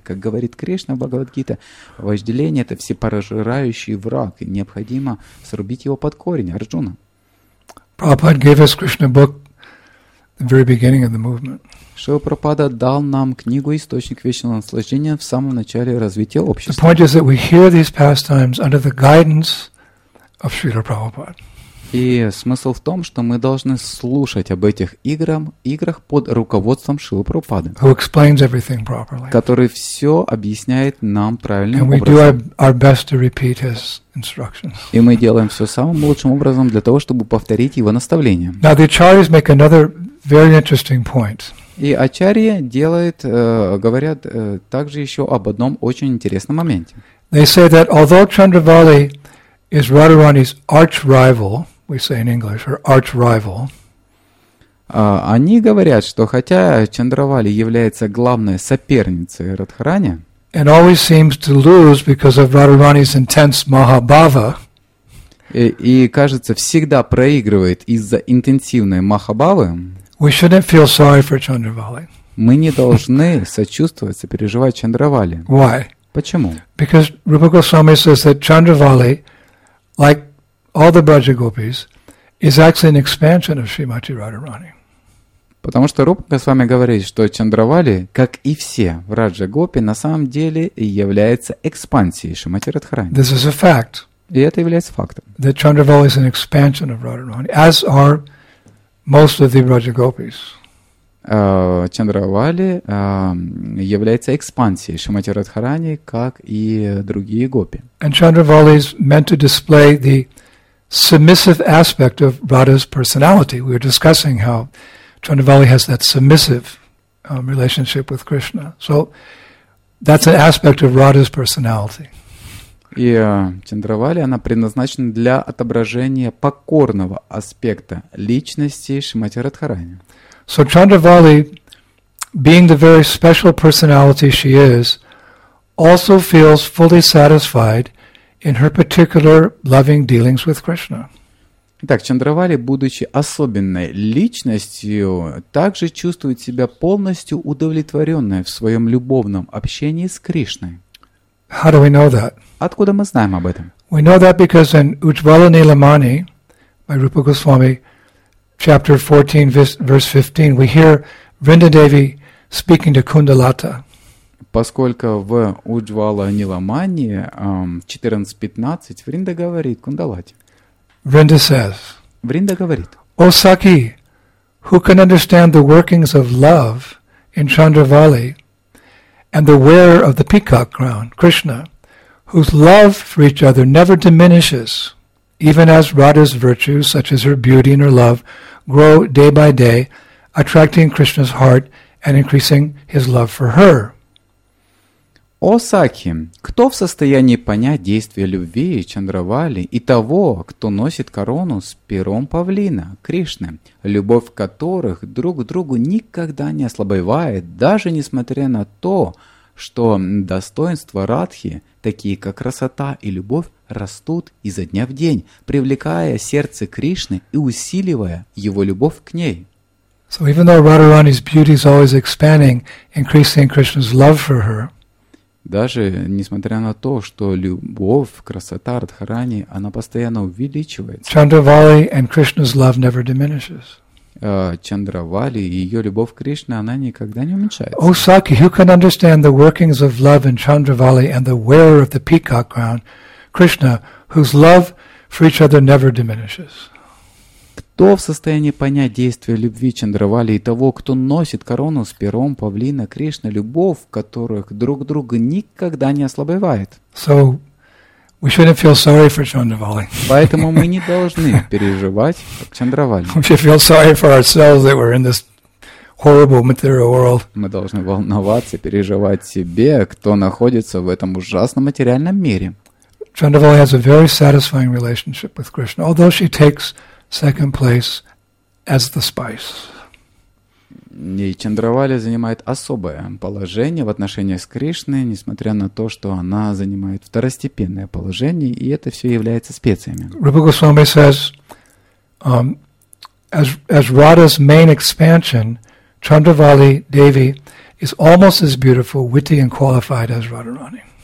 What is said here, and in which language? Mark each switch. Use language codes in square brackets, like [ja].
[ru] Как говорит Кришна в Бхагавад-гите, вожделение — это всепожирающий враг, и необходимо срубить его под корень. Арджуна. [en] Prabhupada gave us Krishna book the very beginning of the movement. [ru] Шрила Прабхупада дал нам книгу «Источник вечного наслаждения» в самом начале развития общества. [en] The point is that we hear these pastimes under the guidance of Srila Prabhupada. [ru] И смысл в том, что мы должны слушать об этих играх под руководством Шрилы Прабхупады, [en] who explains everything properly, [ru] который все объясняет нам правильным [en] and [ru] образом. [en] We do our best to repeat his instructions. [ru] И мы делаем все самым лучшим образом для того, чтобы повторить его наставления. [en] Now the Acharyas make another very interesting point. [ru] И ачарьи делают, говорят также еще об одном очень интересном моменте. [en] They say that although Chandravali is Radharani's arch rival, we say in English, her arch rival. [ru] Они говорят, что хотя Чандравали является главной соперницей Радхарани, [en] and always seems to lose because of Radharani's intense mahabhava. [ru] И кажется, всегда проигрывает из-за интенсивной махабавы. [en] We shouldn't feel sorry for Chandravali. [ru] Мы не должны сочувствовать, сопереживать Чандравали. [en] Why? [ru] Почему? [en] Because Rupa Goswami says that Chandravali, like all the Braja Gopis, is actually an expansion of Srimati Radharani. [ru] Потому что Рупа Госвами говорит, что Чандравали, как и все в Раджа Гопи, на самом деле является экспансией Шримати Радхарани. [en] This is a fact. [ru] И это является фактом. [en] That Chandravali is an expansion of Radharani, as are most of the Braja Gopis. [ru] Чандравали является экспансией Шримати Радхарани, как и другие гопи. [en] And Chandravali is meant to display the submissive aspect of Radha's personality. We were discussing how Chandravali has that submissive relationship with Krishna. So that's an aspect of Radha's personality. [ru] И Чандравали, она предназначена для отображения покорного аспекта личности Шримати Радхарани. [en] So Chandravali, being the very special personality she is, also feels fully satisfied in her particular loving dealings with Krishna. [ru] Так, Чандравали, будучи особенной личностью, также чувствует себя полностью удовлетворенной в своем любовном общении с Кришной. [en] How do we know that? [ru] Откуда мы знаем об этом? [en] We know that because in Ujjvala Nilamani by Rupa Goswami, chapter 14, verse 15, we hear Vrindadevi speaking to Kundalata. [ru] Поскольку в Ujjvala Nilamani 14:15 Vrinda говорит Кундалате. [en] Vrinda says, [ru] Vrinda говорит, [en] O Sakhi, who can understand the workings of love in Chandravali and the wearer of the peacock crown, Krishna, whose love for each other never diminishes, even as Radha's virtues, such as her beauty and her love, grow day by day, attracting Krishna's heart and increasing his love for her. [ru] О Сакхи, кто в состоянии понять действия любви Чандравали и того, кто носит корону с пером павлина, Кришны, любовь которых друг к другу никогда не ослабевает, даже несмотря на то, что достоинства Радхи, такие как красота и любовь, растут изо дня в день, привлекая сердце Кришны и усиливая его любовь к ней. [en] So even though Radharani's beauty is always expanding, increasing Krishna's love for her, [ru] даже несмотря на то, что любовь, красота Радхарани, она постоянно увеличивается. [en] Chandravali and Krishna's love never diminishes. [ru] Чандравали и ее любовь к Кришне, она никогда не уменьшается. [en] O Sakhi, who can understand the workings of love in Chandravali and the wearer of the peacock crown, Krishna, whose love for each other never diminishes. [ru] Кто в состоянии понять действия любви Чандравали и того, кто носит корону с пером павлина Кришны, любовь которых друг друга никогда не ослабевает. [en] So, we shouldn't feel sorry for Chandravali. [ru] Поэтому мы не должны переживать как Чандравали. [en] We should feel sorry for ourselves that we're in this horrible material world. [ru] Мы должны волноваться, переживать себе, кто находится в этом ужасном материальном мире. [en] Chandravali has a very satisfying relationship with Krishna, although she takes second place as the spice. [ru] И Чандравали занимает особое положение в отношении с Кришной, несмотря на то, что она занимает второстепенное положение, и это все является специями. [en] Rupa Goswami says, as Radha's main expansion, Chandravali Devi is almost as beautiful, witty and qualified as Radharani.